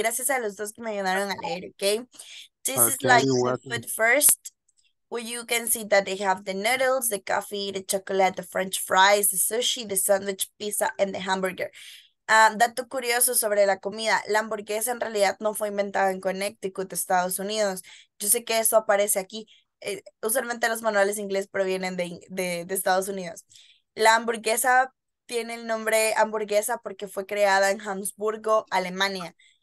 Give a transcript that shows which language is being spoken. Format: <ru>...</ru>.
<es>Gracias a los dos que me ayudaron a leer, okay?</es> <en>This okay, is like the food first, where you can see that they have the noodles, the coffee, the chocolate, the french fries, the sushi, the sandwich, pizza, and the hamburger.</en> <es>Dato curioso sobre la comida. La hamburguesa en realidad no fue inventada en Connecticut, Estados Unidos. Yo sé que eso aparece aquí. Usualmente los manuales ingleses provienen de Estados Unidos. La hamburguesa tiene el nombre hamburguesa porque fue creada en Hamburgo, Alemania.</es>